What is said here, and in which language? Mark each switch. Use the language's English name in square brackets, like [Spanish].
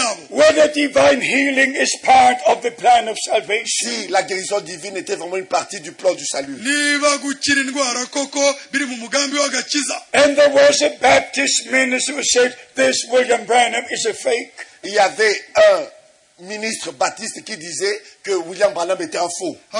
[English] Whether divine healing is part of the plan of salvation. [French] Si la guérison divine était vraiment une partie du plan du salut. [English] And there was a Baptist minister who said, this William Branham is a fake. [French] Il y avait un ministre baptiste qui disait que William Branham était un faux.